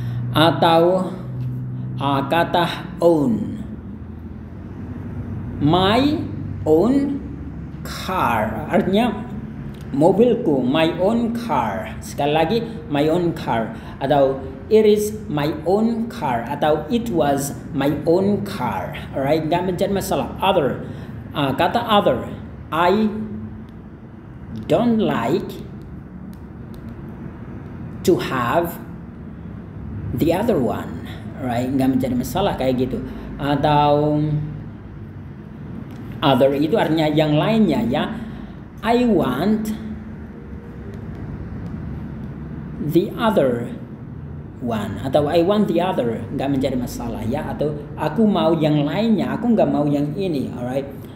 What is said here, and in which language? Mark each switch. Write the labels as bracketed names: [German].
[English] Atau kata own, my own car, artinya mobilku, my own car. Sekali lagi, my own car. Atau it is my own car. Atau it was my own car. [Indonesian] Alright, gak menjadi masalah. [English] Other, kata other, I don't like to have the other one, right? [Indonesian] Nggak menjadi masalah kayak gitu. Atau other itu artinya yang lainnya ya. [English] I want the other [Indonesian] one atau I want the other, nggak menjadi masalah ya, atau aku mau yang lainnya, aku nggak mau yang ini, alright.